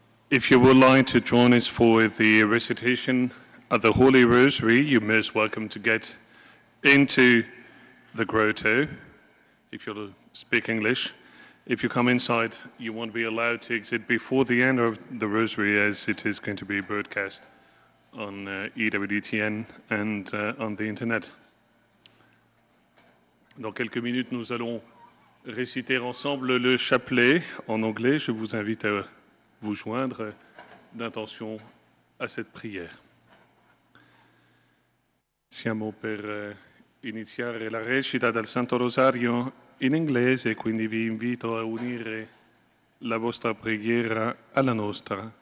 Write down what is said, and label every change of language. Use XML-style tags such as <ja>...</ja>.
<en>If you would like to join us for the recitation of the Holy Rosary, you're most welcome to get into the grotto, if you'll speak English. If you come inside, you won't be allowed to exit before the end of the Rosary, as it is going to be broadcast on EWTN and on the Internet.</en> <fr>Dans quelques minutes, nous allons réciter ensemble le chapelet en anglais. Je vous invite à vous joindre d'intention à cette prière.</fr> <it>Siamo per iniziare la recita del Santo Rosario in inglese, quindi vi invito a unire la vostra preghiera alla nostra.</it>